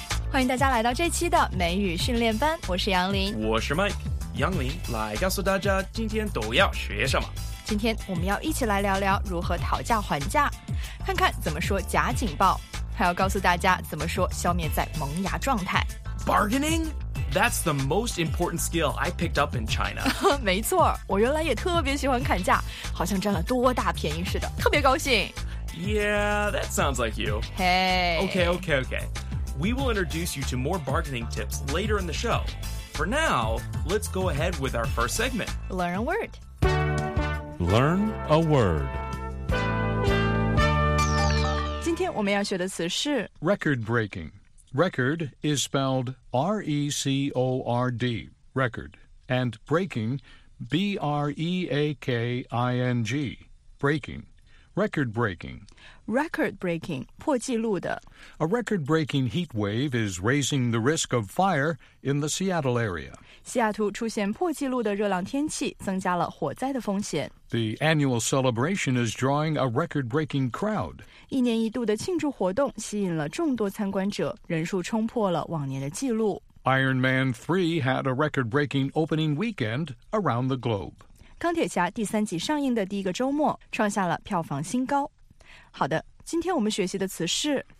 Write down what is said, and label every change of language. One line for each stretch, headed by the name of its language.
Chinese: 欢迎大家来到这期的美语训练班，我是杨林，我是 Mike。杨林来告诉大家今天都要学什么。今天我们要一起来聊聊如何讨价还价，看看怎么说假警报，还要告诉大家怎么说消灭在萌芽状态。
English: Bargaining? That's the most important skill I picked up in China.
Chinese: 没错，我原来也特别喜欢砍价，好像占了多大便宜似的，特别高兴。
English: Yeah, that sounds like you. Hey. Okay, okay, okay. We will introduce you to more bargaining tips later in the show. For now, let's go ahead with our first segment. Learn a word. Learn a word.
Chinese: 今天我们要学的词是
English: record breaking. Record is spelled R-E-C-O-R-D, record. And breaking, B-R-E-A-K-I-N-G, breaking. Record breaking. Record breaking,
Chinese: 破纪录的。
English: A record breaking heat wave is raising the risk of fire in the Seattle area.
Chinese: 西雅图出现破纪录的热浪天气，增加了火灾的风险。
English: The annual celebration is drawing a record breaking crowd.
Chinese: 一年一度的庆祝活动吸引了众多参观者，人数冲破了往年的纪录。
English: Iron Man 3 had a record breaking opening weekend around the globe.
Chinese: 钢铁侠第三集上映的第一个周末创下了票房新高。好的，今天我们学习的词是